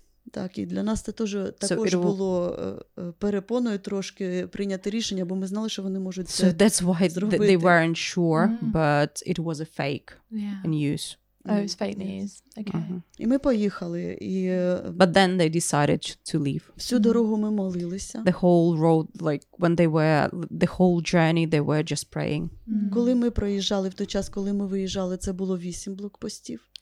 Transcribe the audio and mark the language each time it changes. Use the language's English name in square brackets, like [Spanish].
[Ukrainian] Так, і для нас це теж також було перепоною трошки прийняти рішення, бо ми знали, що вони можуть це зробити. [English] So that's why they weren't sure, but it was a fake news. Oh, it's fake news. Okay. [Ukrainian] І ми поїхали, і [English] but then they decided to leave. [Ukrainian] Всю дорогу ми молилися. [English] The whole road, like when they were the whole journey, they were just praying. [Ukrainian] Коли ми проїжджали, в той час, коли ми виїжджали, це було 8 блокпостів.